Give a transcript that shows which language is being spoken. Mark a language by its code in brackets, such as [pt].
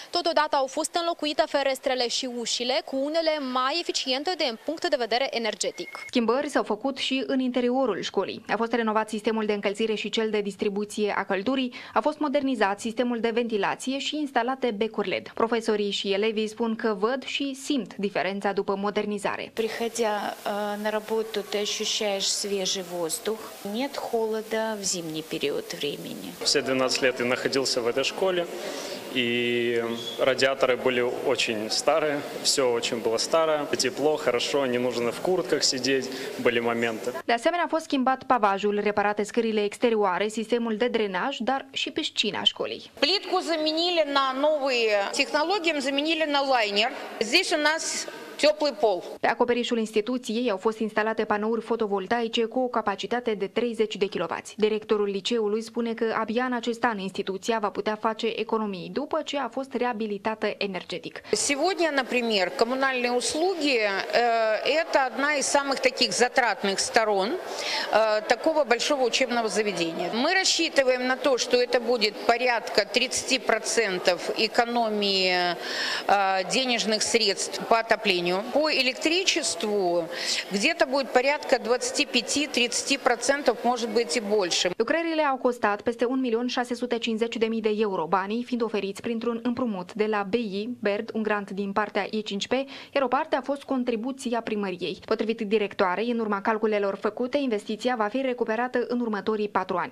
[ro] Totodată au fost înlocuite ferestrele și ușile, cu unele mai eficiente din punct de vedere energetic. Schimbări s-au făcut și în interiorul școlii. A fost renovat sistemul de încălzire și cel de distribuție a căldurii, a fost modernizat sistemul de ventilare și instalate becuri LED. Profesorii și elevii spun că văd și simt diferența după modernizare. [ru] Приходя на работу, ты ощущаешь свежий воздух. Нет холода в зимний период времени. Все 12 лет я находился в этой школе, и радиаторы были очень старые, все очень было старое, тепло, хорошо, не нужно в куртках сидеть, были моменты. [ro] De asemenea, a fost schimbat pavajul, reparate scările exterioare, sistemul de drenaj, dar și piscina școlii. [ru] Плитку заменили на новые технологии, заменили на лайнер. Здесь у нас теплый пол. [ro] Pe acoperișul instituției au fost instalate panouri fotovoltaice cu o capacitate de 30 de kW. Directorul liceului spune că abia în acest an instituția va putea face economii după ce a fost reabilitată energetic. [ru] Сегодня, например, коммунальные услуги это одна из самых таких затратных сторон такого большого учебного заведения. Мы рассчитываем на то, что это будет порядка 30% экономии денежных средств по отоплению. По электричеству где-то будет порядка 25-30%, может быть и больше. [ro] Lucrările au costat peste 1.650.000 de euro, banii fiind oferiți printr-un împrumut de la BI, BERD, un grant din partea E5P, iar o parte a fost contribuția primăriei. Potrivit directoarei, în urma calculelor făcute, investiția va fi recuperată în următorii 4 ani.